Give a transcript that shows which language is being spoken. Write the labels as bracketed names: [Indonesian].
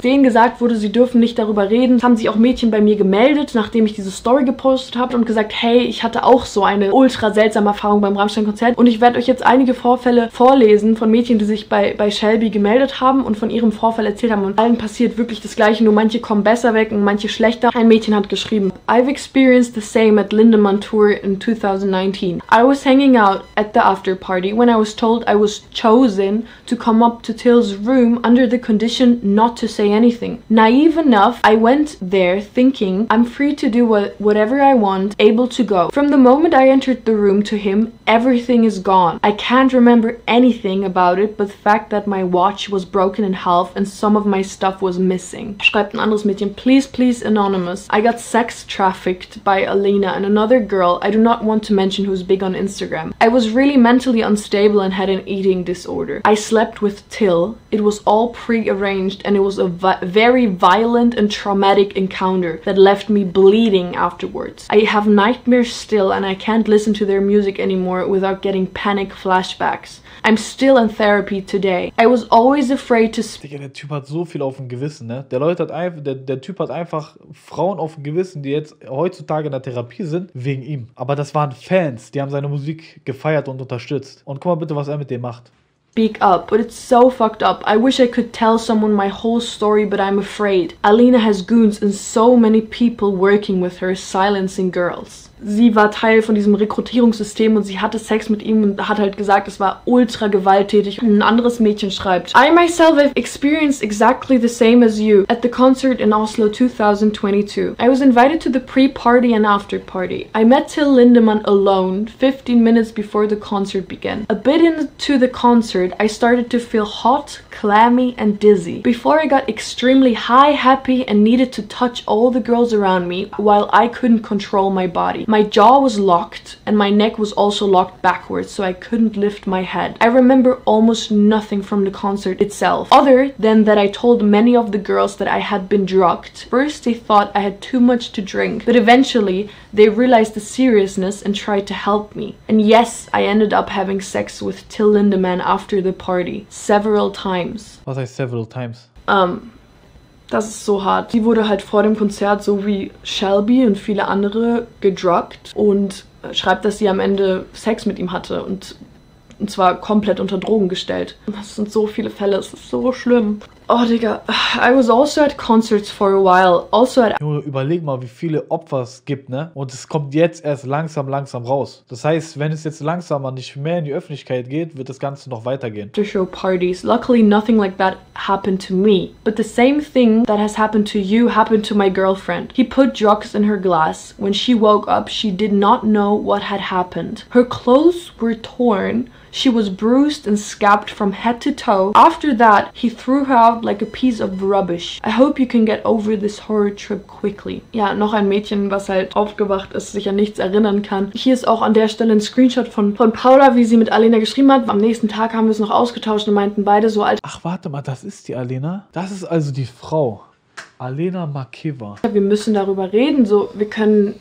[German] Denen gesagt wurde, sie dürfen nicht darüber reden. Es haben sich auch Mädchen bei mir gemeldet, nachdem ich diese Story gepostet habe und gesagt, hey, ich hatte auch so eine ultra seltsame Erfahrung beim Rammstein-Konzert. Und ich werde euch jetzt einige Vorfälle vorlesen von Mädchen, die sich bei Shelby gemeldet haben und von ihrem Vorfall erzählt haben. Und allen passiert wirklich das Gleiche, nur manche kommen besser weg und manche schlechter. Ein Mädchen hat geschrieben, [English] I've experienced the same at Lindemann Tour in 2019. I was hanging out at the after party when I was told I was chosen to come up to Till's room under the condition not to say anything. Naive enough, I went there thinking I'm free to do whatever I want, able to go. From the moment I entered the room to him, everything is gone. I can't remember anything about it, but the fact that my watch was broken in half and some of my stuff was missing. [German] Schreibt ein anderes Mädchen, [English] please, please, anonymous. I got sex trafficked by Alina and another girl. I do not want to mention who's big on Instagram. I was really mentally unstable and had an eating disorder. I slept with Till. It was all pre-arranged and it was a very violent and traumatic encounter that left me bleeding afterwards. I have nightmares still and I can't listen to their music anymore without getting panic flashbacks. I'm still in therapy today. I was always afraid to speak. [German] Der Typ hat so viel auf dem Gewissen, ne? Der Typ hat einfach Frauen auf dem Gewissen, die jetzt heutzutage in der Therapie sind, wegen ihm. Aber das waren Fans, die haben seine Musik gefeiert und unterstützt. Und guck mal bitte, was er mit dem macht. [English] Speak up, but it's so fucked up. I wish I could tell someone my whole story, but I'm afraid. Alina has goons and so many people working with her, silencing girls. [German] Sie war Teil von diesem Rekrutierungssystem und sie hatte Sex mit ihm und hat halt gesagt, es war ultra gewalttätig. Ein anderes Mädchen schreibt, [English] I myself have experienced exactly the same as you at the concert in Oslo 2022. I was invited to the pre-party and after-party. I met Till Lindemann alone 15 minutes before the concert began. A bit into the concert, I started to feel hot, clammy and dizzy. Before I got extremely high, happy and needed to touch all the girls around me while I couldn't control my body. My jaw was locked and my neck was also locked backwards, so I couldn't lift my head. I remember almost nothing from the concert itself, other than that I told many of the girls that I had been drugged. First they thought I had too much to drink, but eventually they realized the seriousness and tried to help me. And yes, I ended up having sex with Till Lindemann after the party, several times. [German] Was heißt [English] several times? [German] Das ist so hart. Sie wurde halt vor dem Konzert, so wie Shelby und viele andere, gedruckt und schreibt, dass sie am Ende Sex mit ihm hatte und zwar komplett unter Drogen gestellt. Das sind so viele Fälle, es ist so schlimm. [English] Oh, Digga. I was also at concerts for a while. Also at... [German] Junge, überleg mal, wie viele Opfer es gibt, ne? Und es kommt jetzt erst langsam raus. Das heißt, wenn es jetzt langsamer nicht mehr in die Öffentlichkeit geht, wird das Ganze noch weitergehen. [English] To show parties. Luckily, nothing like that happened to me. But the same thing that has happened to you happened to my girlfriend. He put drugs in her glass. When she woke up, she did not know what had happened. Her clothes were torn. She was bruised and scabbed from head to toe. After that, he threw her out like a piece of rubbish. I hope you can get over this horror trip quickly. [German] Ja, noch ein Mädchen, was halt aufgewacht ist, sich an nichts erinnern kann. Hier ist auch an der Stelle ein Screenshot von Paula, wie sie mit Alina geschrieben hat. Am nächsten Tag haben wir es noch ausgetauscht und meinten beide so alt. Ach, warte mal, das ist die Alina? Das ist also die Frau. Alina Makeva. Wir müssen darüber reden. So, wir können.